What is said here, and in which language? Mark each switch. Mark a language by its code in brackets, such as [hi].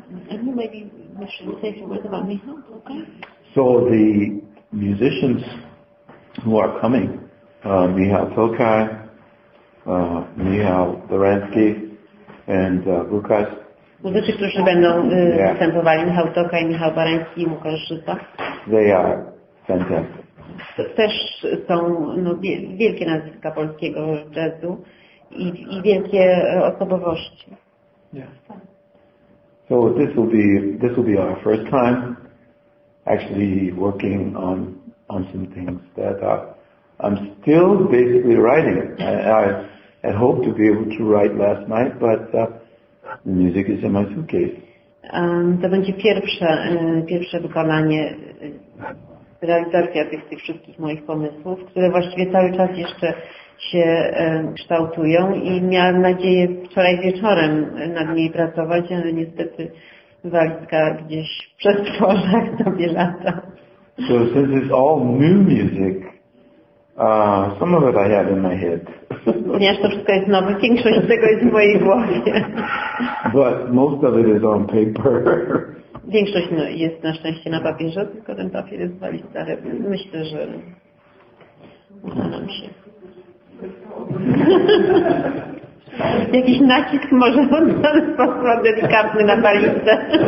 [en] And you maybe should say some words about Michał, okay? So the musicians who are coming, Michał Tokaj, Michał Doransky, and Lukasz. [pl] Muzycy, którzy będą występowali, Michał Tokaj, Michał Barański i Łukasz Żyta. [en] They are fantastic. [pl] Też są wielkie nazwiska polskiego jazzu i wielkie osobowości. [en] Yeah. So this will be our first time actually working on some things that I'm still basically writing. I hope to be able to write last night, but the music is in my suitcase. [pl] To będzie pierwsze wykonanie, realizacja tych wszystkich moich pomysłów, które właściwie cały czas jeszcze się kształtują i miałam nadzieję wczoraj wieczorem nad niej pracować, ale niestety walizka gdzieś w przestworzach sobie lata. [en] So since it's all new music, some of it I have in my head. [pl] Ponieważ to wszystko jest nowe, większość tego jest w mojej głowie. [en] But most of it is on paper. [pl] Większość jest na szczęście na papierze, tylko ten papier jest walizka, ale myślę, że uda nam się. Jakiś nacisk może on w ten sposób delikatny na palicę.